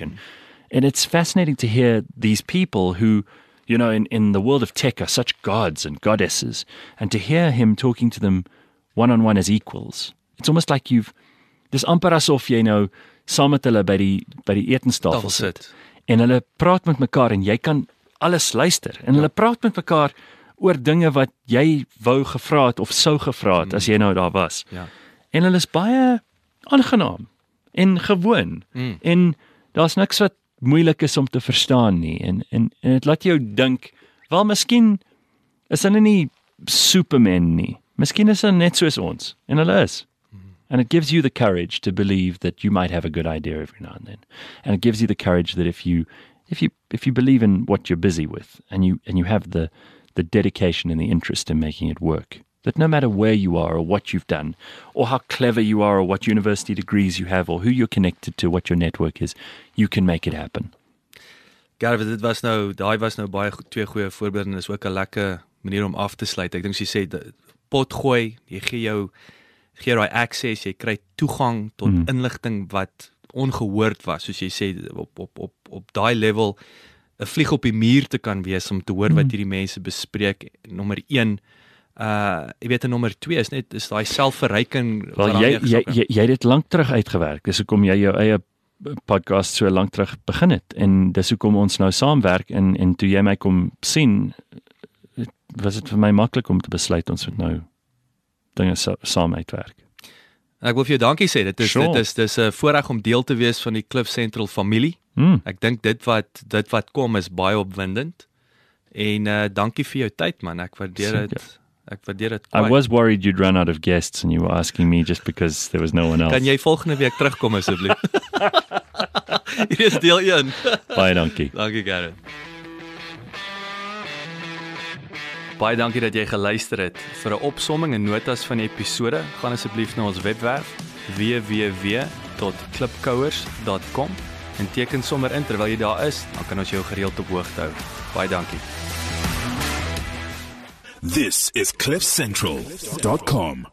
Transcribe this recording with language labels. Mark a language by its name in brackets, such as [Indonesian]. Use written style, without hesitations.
[English] And it's fascinating to hear these people who, you know, in the world of tech are such gods and goddesses. And to hear him talking to them one-on-one as equals, it's almost like you've, dis amper asof jy nou saam met hulle by die etenstafel sit. [Afrikaans] En hulle praat met mekaar en jy kan alles luister. En hulle praat met mekaar oor dinge wat jy wou gevra het of sou gevra het as jy nou daar was. [English] Yeah. [Afrikaans] En hulle is baie aangenaam en gewoon. Mm. En daar is niks wat moeilik is om te verstaan nie, en het laat jou dink, wel, miskien is hulle nie supermen nie, miskien is hulle net soos ons, en hulle is. [English] And it gives you the courage to believe that you might have a good idea every now and then. And it gives you the courage that if you believe in what you're busy with, and you have the dedication and the interest in making it work, that no matter where you are or what you've done or how clever you are or what university degrees you have or who you're connected to, what your network is, you can make it happen. [Afrikaans] Gareth, dit was nou baie twee goeie voorbeelde en is ook 'n lekker manier om af te sluit. Ek dink jy sê pot gooi, jy gee daai access, jy kry toegang tot inligting wat ongehoord was, soos jy sê op daai level 'n vlieg op die muur te kan wees om te hoor wat hierdie mense bespreek. Nommer 1 jy weet, nummer 2 is daai selfverryking. Wel, jy het dit lang terug uitgewerk, dis hoekom jy jou eie podcast so lang terug begin het, en dis hoekom ons nou saamwerk, en toe jy my kom sien, was het vir my maklik om te besluit, ons moet nou dinge saam uitwerk. Ek wil vir jou dankie sê, dit is 'n voorreg om deel te wees van die Cliff Central familie. Mm. Ek dink dit wat kom is baie opwindend, en dankie vir jou tyd, man, ek waardeer dit. Ek waardeer dit [English] kwaai. I was worried you'd run out of guests and you were asking me just because there was no one else. [Afrikaans] Kan jy volgende week terugkom asseblief? Hier is deel 1. Baie dankie. Dankie, Gareth. Baie dankie dat jy geluister het. Vir 'n opsomming en notas van die episode, gaan asseblief na ons webwerf www.klipkouers.com en teken sommer in terwyl jy daar is, dan kan ons jou gereeld op hoogte hou. Baie dankie. [English] This is CliffCentral.com.